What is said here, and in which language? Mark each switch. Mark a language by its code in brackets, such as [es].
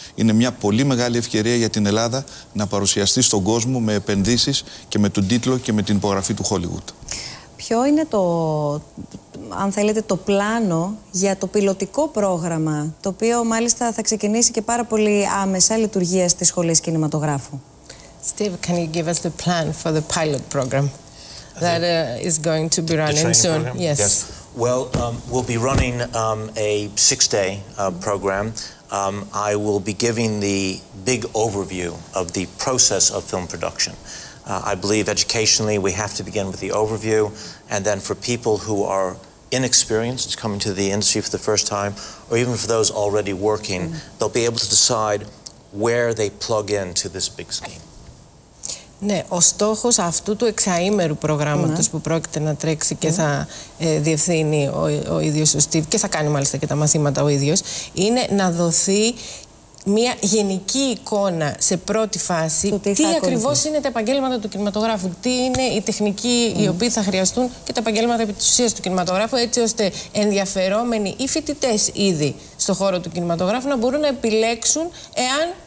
[el] Είναι μια πολύ μεγάλη ευκαιρία για την Ελλάδα να παρουσιαστεί στον κόσμο με επενδύσεις και με τον τίτλο και με την υπογραφή του Hollywood. Ποιο είναι το, αν θέλετε, το πλάνο για το πιλωτικό πρόγραμμα, το οποίο μάλιστα θα ξεκινήσει και πάρα πολύ άμεσα λειτουργία στις σχολές κινηματογράφου. [en] Steve, can you give us the plan for the pilot program that is going to be running soon? Yes. Well, we'll be running a six-day program. I will be giving the big overview of the process of film production. I believe educationally we have to begin with the overview, and then for people who are inexperienced coming to the industry for the first time, or even for those already working, mm-hmm. they'll be able to decide where they plug into this big scheme. [el] Ναι, ο στόχος αυτού του εξαήμερου προγράμματος mm-hmm. που πρόκειται να τρέξει και mm-hmm. θα διευθύνει ο ίδιος ο Steve και θα κάνει μάλιστα και τα μαθήματα ο ίδιος, είναι να δοθεί μια γενική εικόνα σε πρώτη φάση τι ακριβώς είναι τα επαγγέλματα του κινηματογράφου, τι είναι οι τεχνικοί οι οποίοι θα χρειαστούν και τα επαγγέλματα επί της ουσίας του κινηματογράφου, έτσι ώστε ενδιαφερόμενοι ή φοιτητές ήδη στον χώρο του κινηματογράφου να μπορούν να επιλέξουν εάν